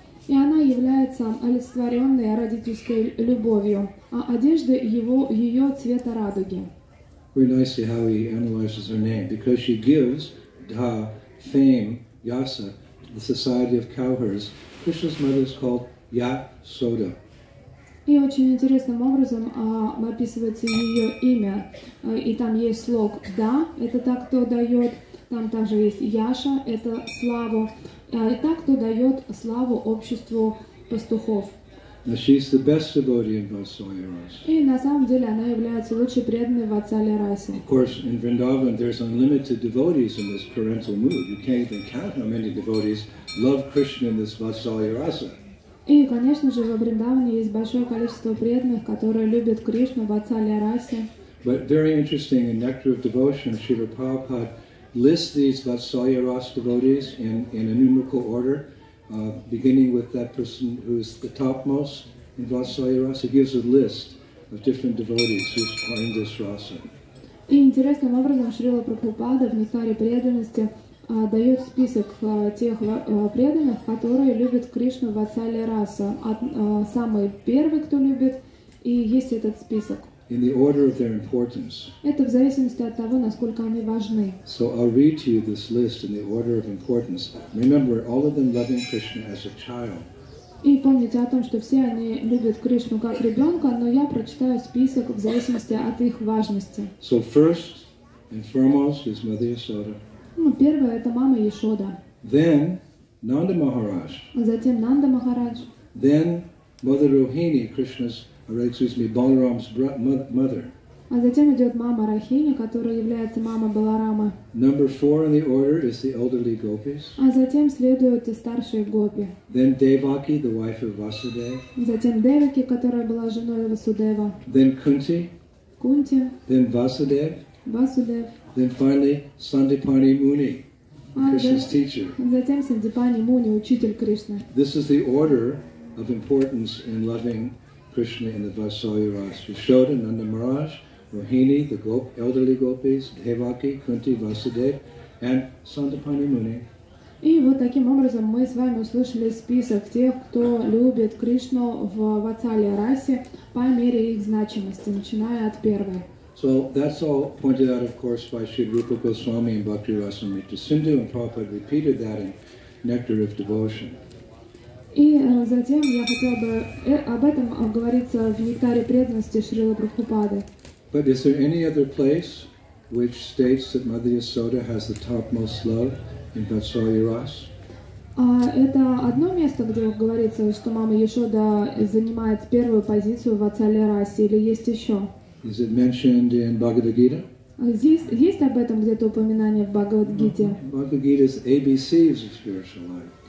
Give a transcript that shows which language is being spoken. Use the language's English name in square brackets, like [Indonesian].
[Russian] И она является олицетворенной родительской любовью, а одежда его ее цвета радуги. [English] Very nice how he analyzes her name, because she gives Dha fame, Yasa, to the society of cowherds. Krishna's mother is called Yasoda. [Russian] И очень интересным образом описывается ее имя, и там есть слог Да, это та, кто дает. Там также есть Яша, это славу. И та, кто дает славу обществу пастухов. [English] Now she's the best devotee in Vatsalya Rasa. [Russian] И на самом деле она является лучшей преданной Vatsalya Rasa. [English] Of course, in Vrindavan there's unlimited devotees in this parental mood. You can't even count how many devotees love Krishna in this Vatsalya Rasa. [Russian] И, конечно же, во Вриндаване есть большое количество преданных, которые любят Кришну в Vatsalya Rasa. [English] But very interesting, in Nectar of Devotion, Srila Prabhupada lists these Vatsalya Rasa devotees in a numerical order. Beginning with that person who is the topmost in Vatsalya Rasa, he gives a list of different devotees who are in this rasa. [Russian] И интересным образом Шрила Прабхупада в Нектаре преданности дает список тех преданных, которые любят Кришну в Vatsalya Rasa. Самый первый, кто любит, и есть этот список. [English] In the order of their importance. [Russian] Это в зависимости от того, насколько они важны. [English] So I'll read to you this list in the order of importance. Remember, all of them loving Krishna as a child. [Russian] И помните о том, что все они любят Кришну как ребенка, но я прочитаю список в зависимости от их важности. [English] So first and foremost is Mother Yasoda. [Russian] Ну, первое это мама Ясода. [English] Then Nanda Maharaj. [Russian] Затем Нанда Махарадж. [English] Then Mother Rohini, Krishna's Balaram's mother. [Russian] А затем идет мама Рахини, которая является мамой Баларама. [English] Number four in the order is the elderly gopis. [Russian] А затем следуют старшие гопи. [English] Then Devaki, the wife of Vasudeva. [Russian] Затем Деваки, которая была женой Васудева. [English] Then Kunti. [Russian] Кунти. [English] Then Vasudev. [Russian] Vasudev. [English] Then finally Sandipani Muni, Krishna's teacher. [Russian] Затем Сандипани Муни, учитель Кришны. [English] This is the order of importance in loving Krishna in the Vatsalya Rasa. Yasoda, Nanda Maharaj, Rohini, the elderly gopis, Devaki, Kunti, Vasudev, and Sandipani Muni. [Russian] И вот таким образом мы с вами услышали список тех, кто любит Кришну в Vatsalya Rasa по мере их значимости, начиная от первой. [English] So that's all pointed out, of course, by Sri Rupa Goswami and Bhakti Rasamrita Sindhu, and Prabhupada repeated that in Nectar of Devotion. [Russian] И затем я хотел бы об этом говорится в Нектаре преданности Шрилы Прабхупады. [English] But is there any other place which states that Mother Yasoda has the topmost love in Vatsalya Ras? [Russian] Это одно место, где говорится, что мама Яшода занимает первую позицию в Vatsalya Rasе, или есть еще? [English] Is it mentioned in Bhagavad Gita? [Russian] Здесь есть об этом где-то упоминание в Bhagavad Gita? [English] Bhagavad Gita's ABCs of spiritual life.